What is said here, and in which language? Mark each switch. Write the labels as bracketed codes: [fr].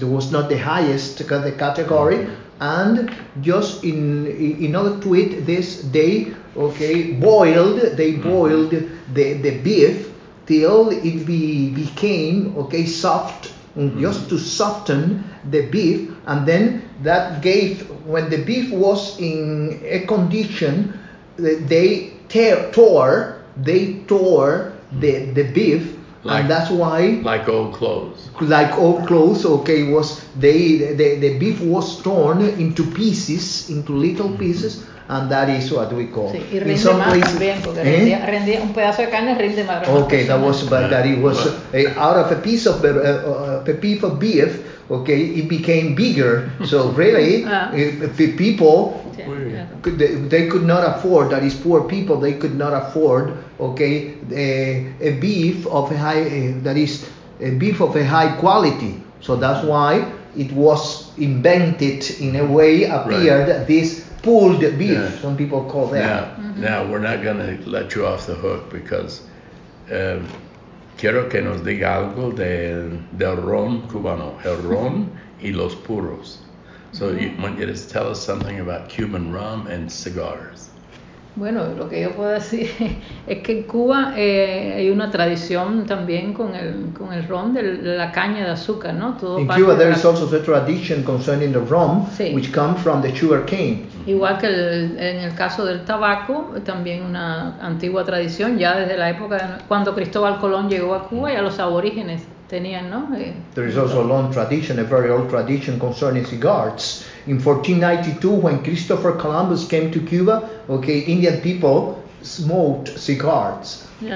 [en] It was not the highest category. And just in order to eat this, they boiled the beef till it became soft, just to soften the beef, and then that gave, when the beef was in a condition, they tore the beef. Like, and that's why, like old clothes, okay, was the beef was torn into pieces, into little pieces, and that is what we call. [es] Sí, [en] in some places, [es] rendía un pedazo de carne, rinde más. [en] Okay, that was, but that it was out of a piece of a piece of beef. Okay, it became bigger. So really, the people, they could not afford, that is poor people, they could not afford, a beef of a high, that is a beef of a high quality. So that's why it was invented in a way, appeared this pulled beef, some people call that. Now, we're not going to let you off the hook because [es] quiero que nos diga algo del ron cubano, el ron y los puros. [en] So you want you to tell us something about Cuban rum and cigars. [es] Bueno, lo que yo puedo decir es que en Cuba hay una tradición también con el ron de la caña de azúcar, ¿no? [en] Todo in Cuba there is also a tradition concerning the rum, which comes from the sugar cane. [es] Igual que en el caso del tabaco, también una antigua tradición, ya desde la época cuando Cristóbal Colón llegó a Cuba y a los aborígenes. [en] There is also a long tradition, a very old tradition concerning cigars. In 1492, when Christopher Columbus came to Cuba, Indian people smoked cigars.